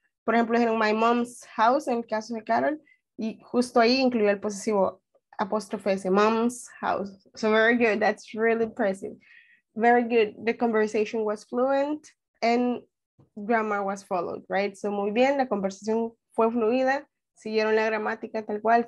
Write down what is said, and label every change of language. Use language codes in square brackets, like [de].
[es] Por ejemplo, en [en] my mom's house, [es] en el caso de Carol, y justo ahí incluyó el posesivo apóstrofe, ese mom's house. [en] So very good. That's really impressive. Very good. The conversation was fluent and grammar was followed, right? [es] So muy bien, la conversación fue fluida, siguieron la gramática tal cual.